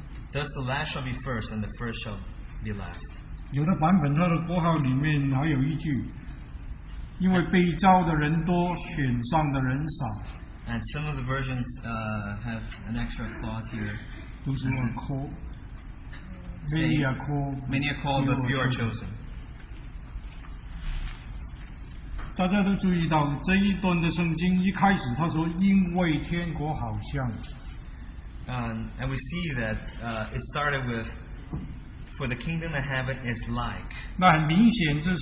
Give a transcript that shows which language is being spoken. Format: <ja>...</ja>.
<en>Thus the last shall be first, and the first shall be last.</en> <zh>有的版本它的括号里面还有一句, 因为被召的人多，选上的人少。</zh> <en>And some of the versions have an extra clause here. Many are called, but few are chosen. And we see that it started with, for the kingdom of heaven is like.</en>